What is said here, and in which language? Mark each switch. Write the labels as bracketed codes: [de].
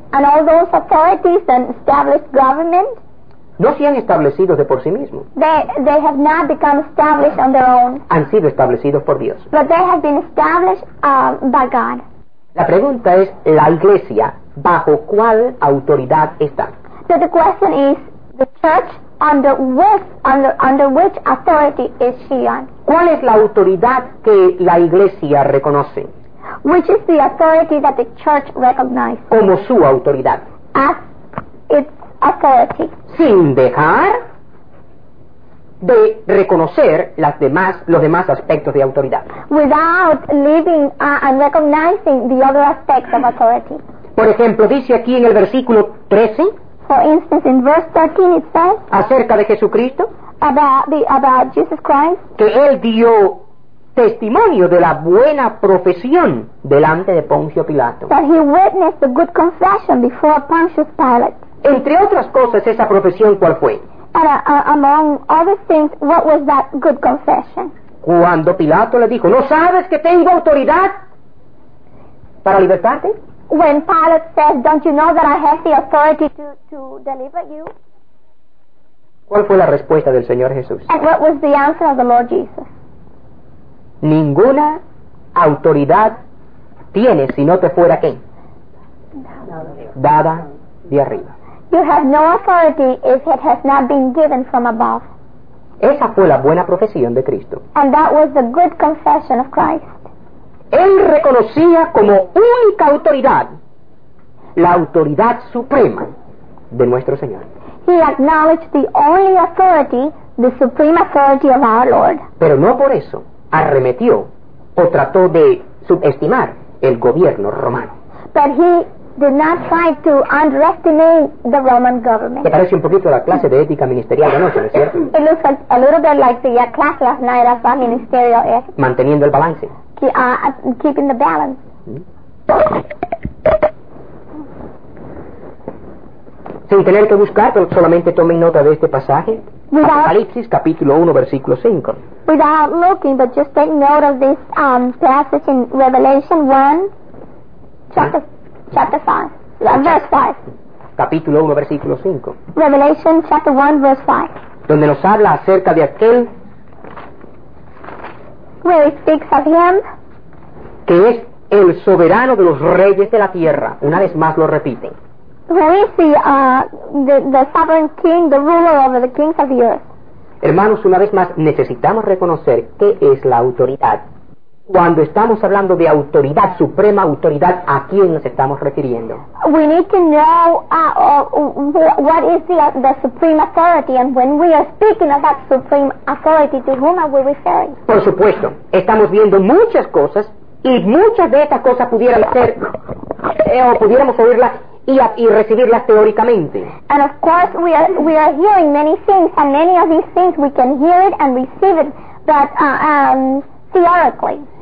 [en] and all those authorities and established government, [es] no se han establecido de por sí mismos. [en] They have not become established on their own. [es] Han sido establecidos por Dios. [en] But they have been established by God. [es] La pregunta es, ¿la iglesia bajo cuál autoridad está? [en] So the question is, the church under which authority is she on? [es] ¿Cuál es la autoridad que la iglesia reconoce? [en] Which is the authority that the church recognizes? [es] Como su autoridad. [en] As its authority. [es] Sin dejar de reconocer los demás aspectos de autoridad. [en] Without leaving and recognizing the other aspects of authority. [es] Por ejemplo, dice aquí en el versículo 13. [en] For instance, in verse 13 it says. [es] Acerca de Jesucristo. [en] About Jesus Christ. [es] Que él dio testimonio de la buena profesión delante de Poncio Pilato. [en] That he witnessed the good confession before Pontius Pilate. [es] Entre otras cosas, esa profesión, ¿cuál fue? [en] Among other things, what was that good confession? [es] Cuando Pilato le dijo, ¿no sabes que tengo autoridad para libertarte? [en] When Pilate said, don't you know that I have the authority to deliver you? [es] ¿Cuál fue la respuesta del Señor Jesús? [en] And what was the answer of the Lord Jesus? [es] Ninguna autoridad tienes si no te fuera ¿qué? Dada de arriba. [en] You have no authority if it has not been given from above. [es] Esa fue la buena profesión de Cristo. [en] And that was the good confession of Christ. [es] Él reconocía como única autoridad la autoridad suprema de nuestro Señor. [en] He acknowledged the only authority, the supreme authority of our Lord. [es] Pero no por eso arremetió o trató de subestimar el gobierno romano. [en] But he did not try to underestimate the Roman government. [es] ¿Te parece un poquito la clase de ética ministerial de anoche, no es cierto? [en] It looks like a little bit like the class last night of our ministerial ethics. [es] Manteniendo el balance. [en] Keeping the balance. [es] Sin tener que buscar, solamente tomen nota de este pasaje. Apocalipsis, capítulo 1, versículo 5. [en] Without looking, but just take note of this passage in Revelation 1, chapter 5, verse 5. [es] Capítulo 1, versículo 5. [en] Revelation chapter 1, verse 5. [es] Donde nos habla acerca de aquel. [en] Where it speaks of him. [es] Que es el soberano de los reyes de la tierra. Una vez más lo repite. [en] Where is the sovereign king, the ruler over the kings of the earth. [es] Hermanos, una vez más, necesitamos reconocer qué es la autoridad. Cuando estamos hablando de autoridad suprema, autoridad, ¿a quién nos estamos refiriendo? [en] We need to know what is the supreme authority, and when we are speaking of that supreme authority, to whom are we referring? [es] Por supuesto, estamos viendo muchas cosas, y muchas de estas cosas pudieran ser, pudiéramos oírlas y recibirlas teóricamente. [en] And of course, we are hearing many things, and many of these things we can hear it and receive it, but theoretically.